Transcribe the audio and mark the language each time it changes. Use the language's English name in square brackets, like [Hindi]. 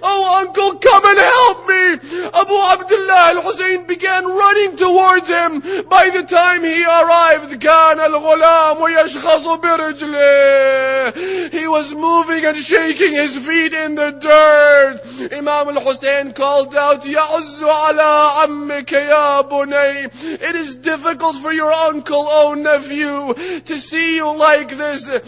[English] Oh, uncle, come and help me. Abu Abdullah al-Hussein began running towards him. By the time he arrived, [Arabic] كان الغلام ويشخص برجله. [English] He was moving and shaking his feet in the dirt. Imam al-Hussein called out, [Arabic] يَعُزُّ عَلَىٰ عَمِّكَ يَا بُنَيْ. [English] It is difficult for your uncle, O nephew, to see you like this.